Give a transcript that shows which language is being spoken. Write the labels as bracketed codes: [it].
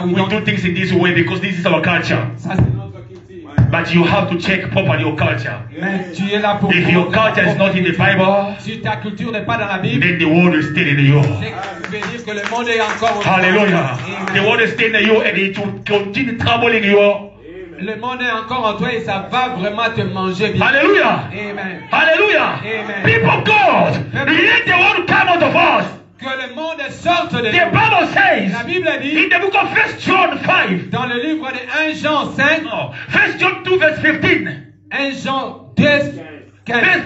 [en] We do things in this way because this is our culture. But you have to check properly your culture. If your culture is not in the Bible, [fr] ta culture n'est pas dans la Bible, [en] then the world is still in you. [fr] Que le monde est encore Hallelujah. Amen. [en] The world is still in you and it will continue troubling you. [fr] Le monde est encore en toi et ça va vraiment te manger bien. Alléluia. Amen. Alléluia. Amen. [en] People of God, let the world come out of us. [fr] Que le monde sorte de [en] The [fr] nous. [en] Bible says. [fr] La Bible dit. [en] In the book of 1 John 5. [fr] Dans le livre de 1 Jean 5. [en] Oh, 1 John 2 verse 15. [fr] 1 Jean 2 verse